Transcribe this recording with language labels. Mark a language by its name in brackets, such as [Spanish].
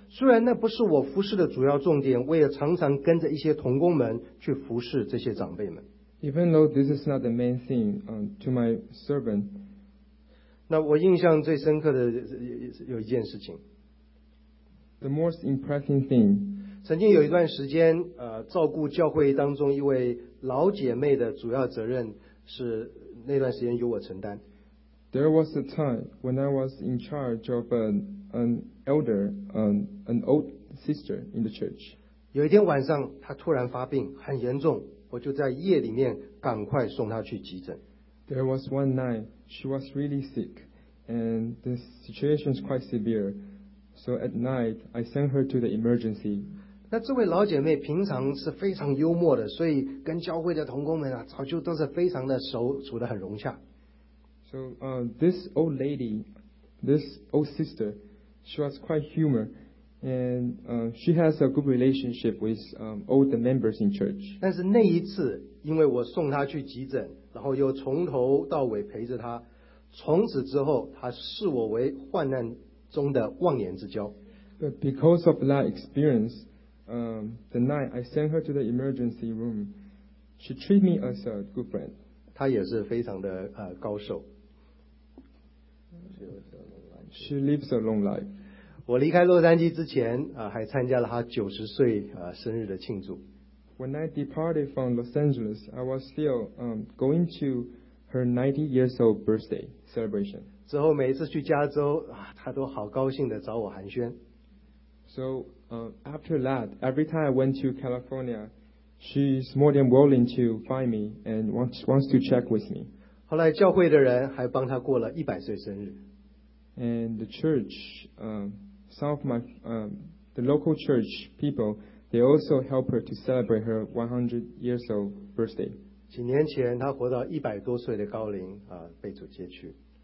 [Chinese] 虽然那不是我服侍的主要重点，我也常常跟着一些同工们去服侍这些长辈们。 [English] Even though this is not the main thing, to my servant. [Chinese] 那我印象最深刻的有一件事情。 [English] The most impressive thing. [Chinese] 曾经有一段时间，照顾教会当中一位老姐妹的主要责任是那段时间由我承担。 [English] There was a time when I was in charge of an elder, an old sister in the church. [Chinese] 有一天晚上，她突然发病，很严重，我就在夜里面赶快送她去急诊。 [English] There was one night she was really sick, and the situation is quite severe. So at night, I sent her to the emergency. [Chinese] 那这位老姐妹平常是非常幽默的，所以跟教会的同工们啊，早就都是非常的熟，处得很融洽。 [English] So, this old lady, this old sister, she was quite humor, and she has a good relationship with all the members in church. [Chinese] 但是那一次，因为我送她去急诊，然后又从头到尾陪着她，从此之后，她视我为患难中的忘年之交。 [English] But because of that experience. The night I sent her to the emergency room, she treated me as a good friend. [Chinese] 她也是非常的高寿。 [English] She lives a long life. [Chinese] 我离开洛杉矶之前还参加了她90岁生日的庆祝。 [English] When I departed from Los Angeles, I was still going to her 90 years old birthday celebration. [Chinese] 之后每一次去加州，她都好高兴地找我寒暄。 [English] So after that, every time I went to California, she is more than willing to find me and wants to check with me. [Chinese] 后来教会的人还帮她过了100岁生日。 [English] And the church, some of my, the local church people, they also help her to celebrate her 100 years old birthday. [Chinese] 几年前她活到100多岁的高龄、被主接去。